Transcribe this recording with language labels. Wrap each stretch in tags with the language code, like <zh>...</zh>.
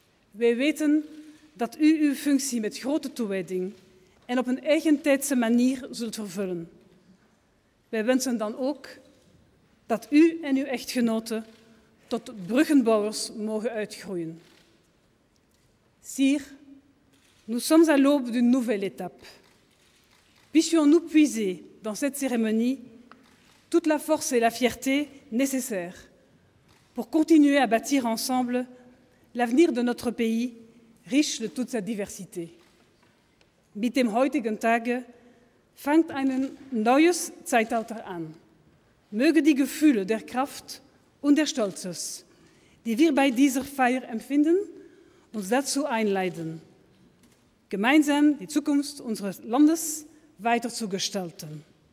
<nl>Wij weten dat u uw functie met grote toewijding en op een eigentijdse manier zult vervullen. Wij wensen dan ook dat u en uw echtgenoten tot bruggenbouwers mogen uitgroeien.</nl> <fr>Sire, nous sommes à l'aube d'une nouvelle étape. Puissions-nous puiser dans cette cérémonie toute la force et la fierté nécessaires pour continuer à bâtir ensemble l'avenir de notre pays riche de toute sa diversité.</fr> <de>Mit dem heutigen Tage fängt ein neues Zeitalter an. Möge die Gefühle der Kraft und der Stolzes, die wir bei dieser Feier empfinden, uns dazu einleiten, gemeinsam die Zukunft unseres Landes weiter zu gestalten.</de>